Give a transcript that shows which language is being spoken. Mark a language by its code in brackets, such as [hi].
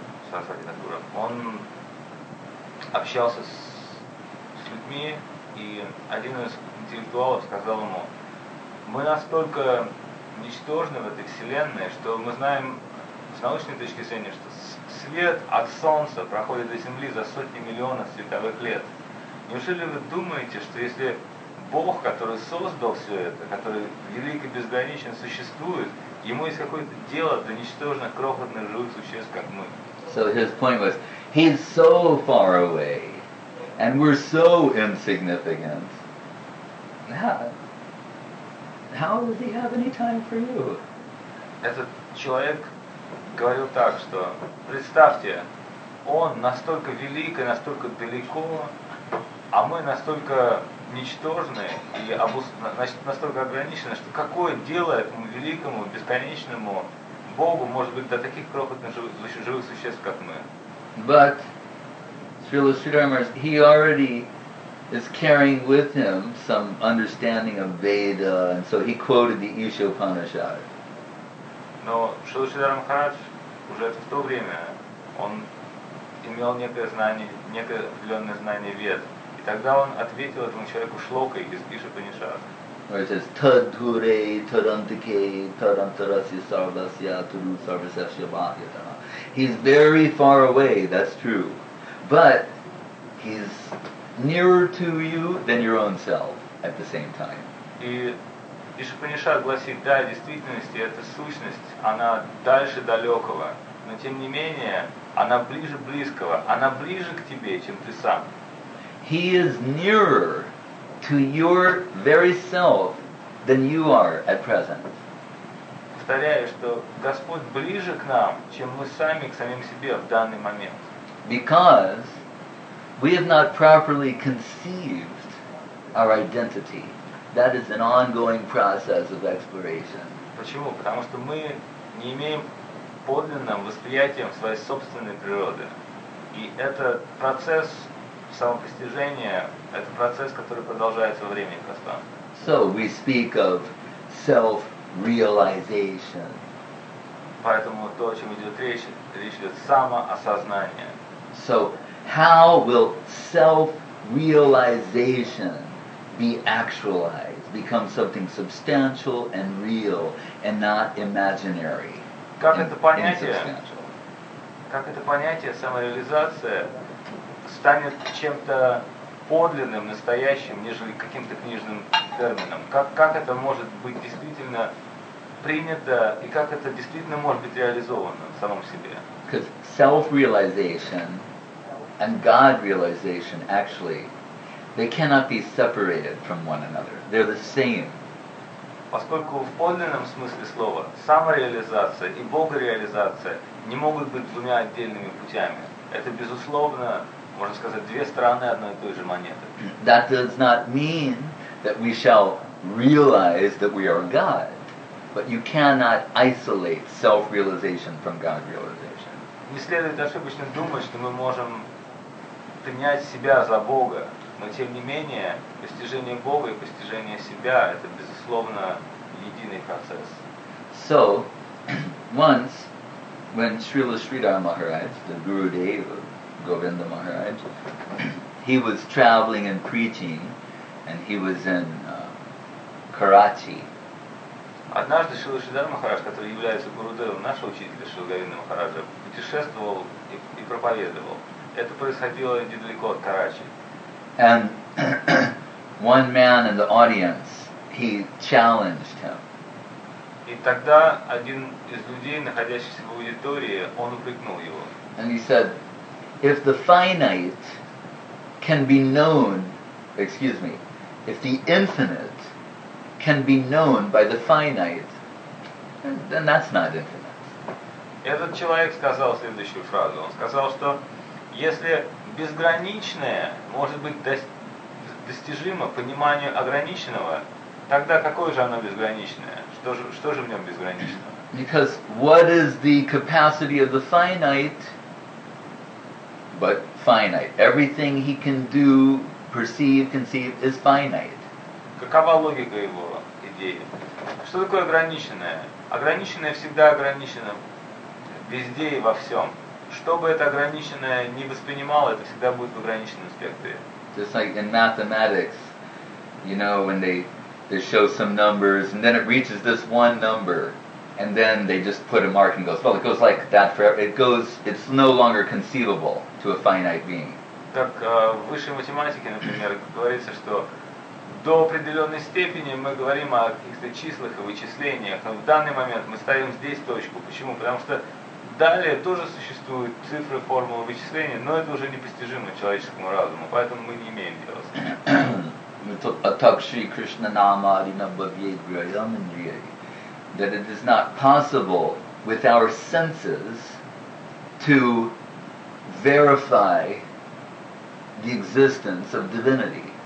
[ru] Сарасвати Тхакура, он общался с людьми, и один из интеллектуалов сказал ему: мы настолько ничтожны в этой вселенной, что мы знаем с научной точки зрения, что свет от Солнца проходит до Земли за сотни миллионов световых лет. Неужели вы думаете, что если Бог, который создал все это, который велик и безграничен, существует, ему есть какое-то дело до ничтожных, крохотных живых существ, как мы? [en] So his point was, he's so far away, and we're so insignificant. How does he have any time for you? [ru] Этот человек говорил так, что представьте, он настолько велик и настолько далеко, а мы настолько ничтожны и настолько ограничены, что какое дело этому великому, бесконечному Богу может быть до таких крохотных живых существ, как мы? [en] But Srila Sridharma, he already is carrying with him some understanding of Veda, and so he quoted the Isha Upanishad. [ru] Но Шрила Шридхара Махарадж уже в то время он имел некое знание, некое определенное знание Вед. И тогда он ответил этому человеку шлокой из Иши Панишад. [en] Where it says, [sa] Tadhure, Tadantike, Tadantarasya, Sarvasya, Tudu, Sarvasya, Bhatyata. [en] He's very far away, that's true. But he's nearer to you than your own self at the same time. [ru] Иши Панишад гласит, да, в действительности эта сущность, она дальше далекого, но тем не менее, она ближе близкого, она ближе к тебе, чем ты сам. [en] He is nearer to your very self than you are at present. [ru] Повторяю, что Господь ближе к нам, чем мы сами к самим себе в данный момент. [en] Because we have not properly conceived our identity. That is an ongoing process of exploration. [ru] Почему? Потому что мы не имеем подлинного восприятия своей собственной природы. И это процесс самопостижения, это процесс, который продолжается во времени пространства. [en] So we speak of self-realization. [ru] Поэтому то, о чем идет речь идет самоосознание. [en] So how will self-realization be actualized, become something substantial and real, and not imaginary? [ru] Как это понятие? Как это понятие самореализация станет чем-то подлинным, настоящим, нежели каким-то книжным термином? Как это может быть действительно принято и как это действительно может быть реализовано в самом себе? [en] Because self-realization and God-realization actually, they cannot be separated from one another. They're the same. [ru] Поскольку в подлинном смысле слова самореализация и богореализация не могут быть двумя отдельными путями. Это, безусловно, можно сказать, две стороны одной и той же монеты. [en] That does not mean that we shall realize that we are God. But you cannot isolate self-realization from God-realization. [ru] Не следует ошибочно думать, что мы можем принять себя за Бога. Но тем не менее, постижение Бога и постижение себя – это, безусловно, единый процесс. [en] So, once, when Srila Sridhar Maharaj, the Gurudev of Govinda Maharaj, he was traveling and preaching, and he was in Karachi. [ru] Однажды Шрила Шридхар Махарадж, который является Гурудевом нашего учителя Шрила Говинда Махараджа, путешествовал и проповедовал. Это происходило недалеко от Карачи. [en] And one man in the audience, he challenged him. [ru] И тогда один из людей, находящихся в аудитории, он упрекнул его. [en] And he said, if the finite can be known, excuse me, if the infinite can be known by the finite, then that's not infinite. [ru] Этот человек сказал следующую фразу. Он сказал, что если безграничное может быть достижимо пониманию ограниченного, тогда какое же оно безграничное? Что же в нем безграничного? [en] Because what is the capacity of the finite but finite? Everything he can do, perceive, conceive is finite. [ru] Какова логика его идеи? Что такое ограниченное? Ограниченное всегда ограничено везде и во всем. что бы это ограниченное не воспринимало, это всегда будет в ограниченном спектре. [en] Just like in mathematics, you know, when they show some numbers, and then it reaches this one number, and then they just put a mark and goes, well, it goes like that forever. It goes, it's no longer conceivable to a finite being. [ru] Как в высшей математике, например, говорится, что до определенной степени мы говорим о каких-то числах и вычислениях, но в данный момент мы ставим здесь точку. Почему? Потому что далее тоже существуют цифры, формулы, вычисления, но это уже непостижимо человеческому разуму, поэтому мы не имеем дела с этим. [en] That it is not possible with our senses to verify the existence of divinity.